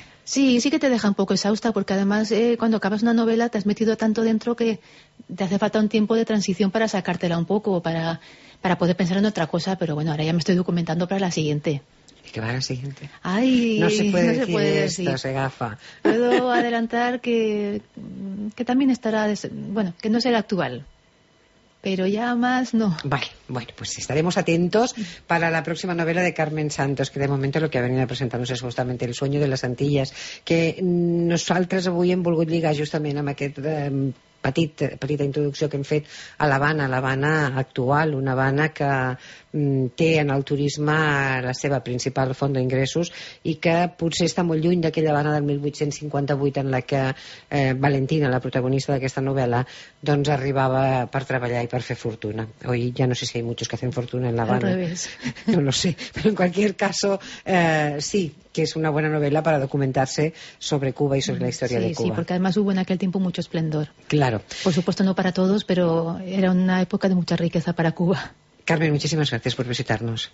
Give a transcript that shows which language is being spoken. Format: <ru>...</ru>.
<es>Sí, sí que te deja un poco exhausta, porque además cuando acabas una novela te has metido tanto dentro que te hace falta un tiempo de transición para sacártela un poco, para poder pensar en otra cosa, pero bueno, ahora ya me estoy documentando para la siguiente. ¿Y qué va a la siguiente? Ay, no se puede decir. Esto se gafa. Puedo adelantar que también estará, bueno, que no será actual, pero ya más no. Vale, bueno, pues estaremos atentos para la próxima novela de Carmen Santos, que de momento lo que ha venido a presentarnos es justamente El sueño de las Antillas,</es> <ca>que nosaltres avui hem volgut lligar justament amb aquest petita introducció que hem fet a l'Havana, l'Havana actual, una Havana que té en el turisme la seva principal font d'ingressos i que potser està molt lluny d'aquella Havana del 1858 en la que Valentina, la protagonista d'aquesta novel·la, doncs arribava per treballar i per fer fortuna. Oi, ja no sé si hi ha</ca> <es>muchos que hacen fortuna</es> <ca>en l'Havana. Al revés.</ca> <es>No lo sé,</es> <ca>però en qualsevol cas sí, que és una bona novel·la per documentar-se sobre Cuba i sobre la història sí, de Cuba.</ca> <es>Sí, perquè además hubo en aquel tiempo mucho esplendor. Claro. Por supuesto no para todos, pero era una época de mucha riqueza para Cuba. Carmen, muchísimas gracias por visitarnos.</es>